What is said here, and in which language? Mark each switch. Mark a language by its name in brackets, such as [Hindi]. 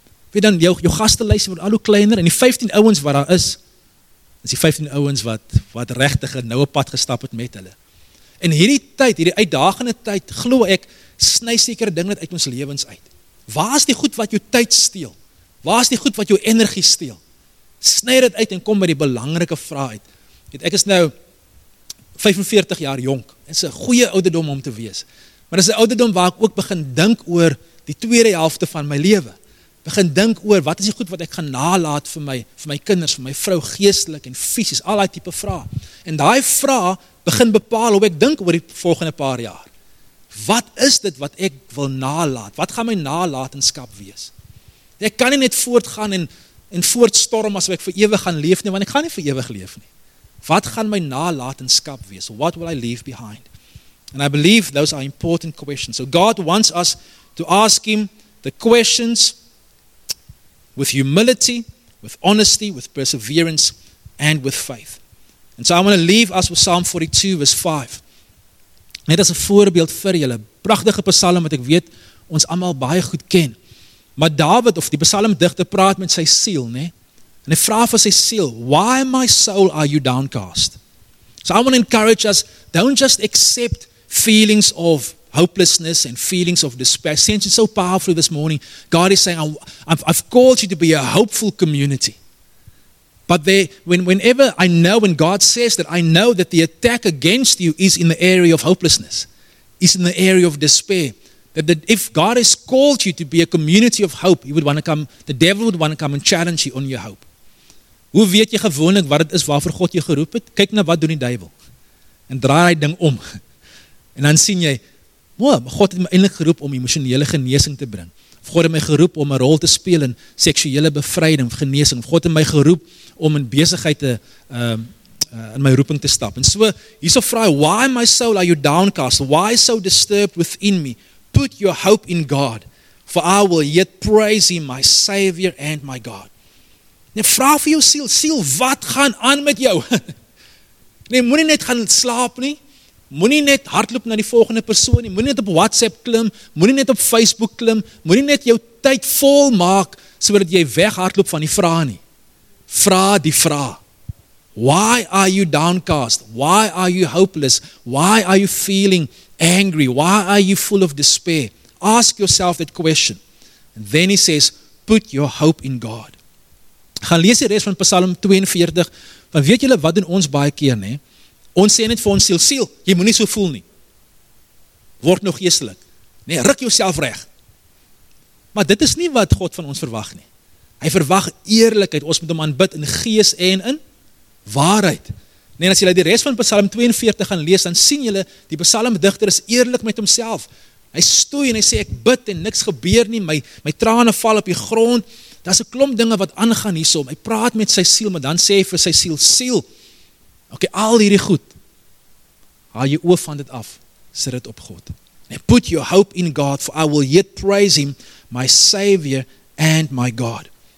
[Afrikaans] Weet dan, jou gastelys word al hoe kleiner, en die 15 ouens wat daar is, is die 15 ouens wat regtig 'n noue pad gestap het met hulle. En hierdie tyd, hierdie uitdagende tyd, glo ek, sny sekere dinge uit ons lewens uit. Waar is die goed wat jou tyd steel? Waar is die goed wat jou energie steel? Sny dit uit en kom by die belangrike vraag uit. Ek is nou 45 jaar jonk, dit is 'n goeie ouderdom om te wees. Maar dit is 'n ouderdom waar ek ook begin dink oor die tweede helfte van my lewe. Begin dink oor, wat is die goed wat ek gaan nalaat vir my kinders, vir my vrou, geestelik en fysisk, al die type vraag. En die vraag begin bepaal hoe ek dink oor die volgende paar jaar. Wat is dit wat ek wil nalaat? Wat gaan my nalatenskap wees? Ek kan nie net voortgaan en voortstorm as ek vir ewig gaan leef nie, want ek gaan nie vir ewig leef nie. Wat gaan my nalatenskap wees? [English] What will I leave behind? And I believe those are important questions. So God wants us to ask him the questions with humility, with honesty, with perseverance, and with faith. And so I want to leave us with Psalm 42 verse 5. [Afrikaans] Net as 'n voorbeeld vir julle, pragtige psalm wat ek weet ons allemaal baie goed ken. Maar David, of die psalmdigter, praat met sy siel, nee? En hy vraag vir sy siel, [English] why my soul are you downcast? So I want to encourage us, don't just accept feelings of hopelessness and feelings of despair. Since it's so powerful this morning, God is saying, I've called you to be a hopeful community. But whenever I know, when God says that, I know that the attack against you is in the area of hopelessness, is in the area of despair. That if God has called you to be a community of hope, the devil would want to come and challenge you on your hope. [Afrikaans] Hoe weet jy gewoonlik wat dit is waarvoor God jou geroep het? Kyk na wat doen die duivel. En draai hy ding om. En dan sien jy, God het my eindelijk geroep om emotionele genesing te bring. Of God het my geroep om 'n rol te speel in seksuele bevryding, genesing. Of God het my geroep om in besigheid te in my roeping te stap. En so, hierso vraag, [English] why my soul are you downcast? Why so disturbed within me? Put your hope in God, for I will yet praise him, my Savior and my God. [Afrikaans] Nee, vraag vir jou siel, wat gaan aan met jou? Nee, moet nie net gaan slaap nie, moet nie net hardloop na die volgende persoon nie, moet nie net op WhatsApp klim, moet nie net op Facebook klim, moet nie net jou tyd vol maak, so dat jy weg hardloop van die vraag nie. Vraag die vraag. [English] Why are you downcast? Why are you hopeless? Why are you feeling angry? Why are you full of despair? Ask yourself that question. And then he says, put your hope in God. [Afrikaans] Gaan lees die rest van Psalm 42, want weet julle wat doen ons baie keer, nee? Ons sê net vir ons siel, jy moet nie so voel nie. Word nog geestelik. Nee, ruk jouself reg. Maar dit is nie wat God van ons verwag nie. Hy verwag eerlikheid, ons moet hom aanbid in gees en in waarheid. Nee, as julle die rest van Psalm 42 gaan lees, dan sien julle, die psalmdigter is eerlik met homself. Hy stoei en hy sê, ek bid en niks gebeur nie, my trane val op die grond, daar is een klomp dinge wat aangaan hier so, hy praat met sy siel, maar dan sê hy vir sy siel, okay, al hierdie goed, haal jy oor van dit af, sê dit op God. [English] And put your hope in God, for I will yet praise him, my Savior and my God.